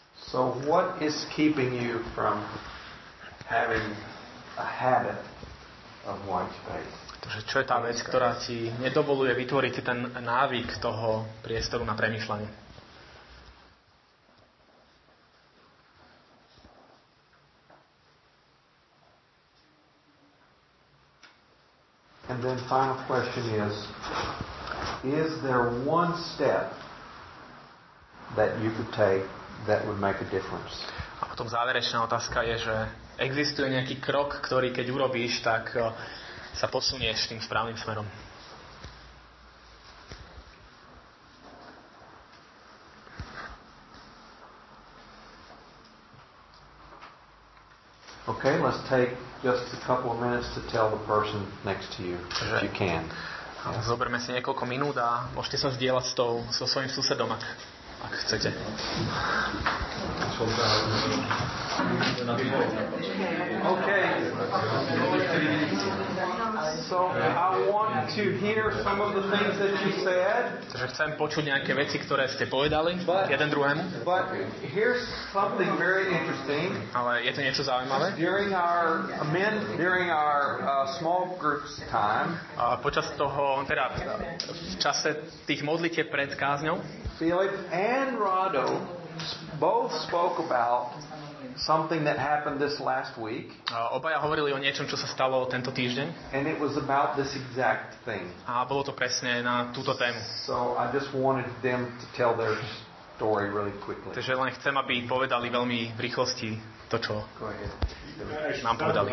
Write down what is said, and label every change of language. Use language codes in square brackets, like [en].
[en] So what is keeping you from having a habit of white space? [sk] Takže čo je tá vec, ktorá ti nedovoluje vytvoriť si ten návyk toho priestoru na premýšľanie? [en] And then final question is there one step that you could take that would make a difference? [sk] A potom záverečná otázka je, že existuje nejaký krok, ktorý keď urobíš, tak sa posunieš tým správnym smerom. [en] Okay, let's take just a couple of minutes to tell the person next to you, if you can. [sk] Zoberme si niekoľko minút a môžete sa zdieľať so svojím susedom, ak chcete. Takže chcem počuť nejaké veci, ktoré ste povedali jeden druhému. [en] But here's something very interesting. [sk] Ale je to niečo zaujímavé. [en] During our small groups time. [sk] A počas toho, teda v čase tých modlitieb pred kázňou. [en] Philip and Rado both spoke about something that happened this last week. [sk] Obaja hovorili o niečom, čo sa stalo tento týždeň. [en] And it was about this exact thing. [sk] A bolo to presne na túto tému. [en] So I just wanted them to tell their story really quickly. [sk] Takže len chcem, aby povedali veľmi v rýchlosti to, čo nám povedali.